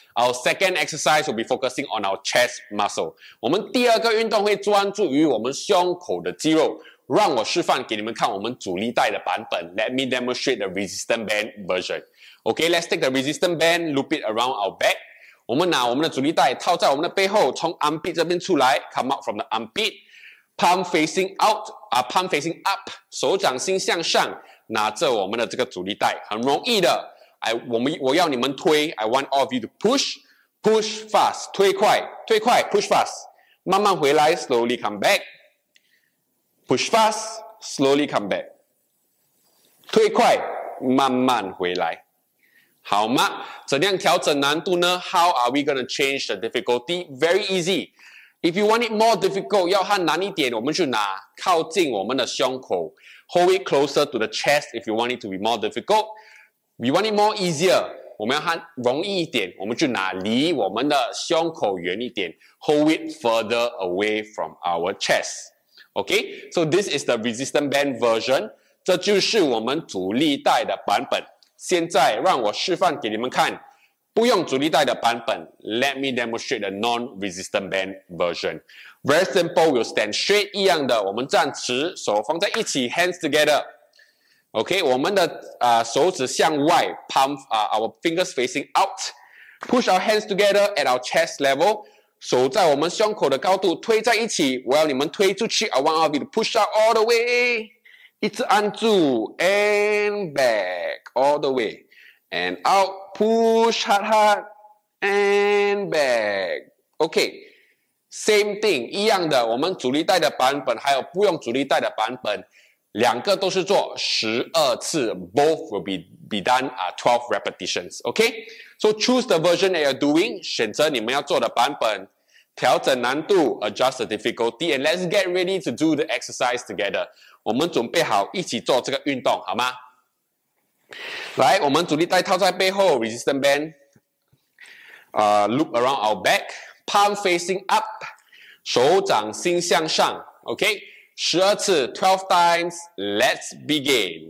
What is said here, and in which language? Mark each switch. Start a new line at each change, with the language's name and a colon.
English: Our second exercise will be focusing on our chest muscle.
Chinese: 我们第二个运动会专注于我们胸口的肌肉。让我示范给你们看我们阻力带的版本。
English: Let me demonstrate the resistant band version. Okay, let's take the resistant band, loop it around our back.
Chinese: 我们拿我们的阻力带套在我们的背后，从 armpit 这边出来，
English: come out from the armpit. Palm facing out, palm facing up,
Chinese: 手掌心向上，拿着我们的这个阻力带，很容易的。我要你们推
English: ，I want all of you to push, push fast,
Chinese: 推快，推快
English: ，push fast,
Chinese: 慢慢回来
English: ，slowly come back, push fast, slowly come back,
Chinese: 推快，慢慢回来，好吗？怎样调整难度呢
English: ？How are we going to change the difficulty? Very easy. If you want it more difficult,
Chinese: 要它难一点，我们就拿靠近我们的胸口
English: ，hold it closer to the chest. If you want it to be more difficult. We want it more easier.
Chinese: 我们要它容易一点，我们就拿离我们的胸口远一点，
English: hold it further away from our chest. Okay, so this is the resistant band version.
Chinese: 这就是我们阻力带的版本。现在让我示范给你们看，不用阻力带的版本。
English: Let me demonstrate the non-resistant band version. Very simple. We'll stand straight.
Chinese: 一样的，我们站直，手放在一起，
English: hands together. OK,
Chinese: 我们的手指向外
English: palm, our fingers facing out. Push our hands together at our chest level.
Chinese: 手在我们胸口的高度推在一起。我要你们推出去。
English: I want all of you to push out all the way.
Chinese: 一直按住
English: and back all the way. And out, push hard hard and back. OK, same thing,
Chinese: 一样的。我们阻力带的版本还有不用阻力带的版本。两个都是做12次
English: ,both will be done at 12 repetitions, okay? So choose the version that you're doing,
Chinese: 选择你们要做的版本。调整难度
English: adjust the difficulty and let's get ready to do the exercise together.
Chinese: 我们准备好一起做这个运动好吗？来，我们阻力带套在背后
English: resistance band、loop around our back, palm facing up,
Chinese: 手掌心向上
English: OK,
Chinese: 12次
English: 12 times, let's begin.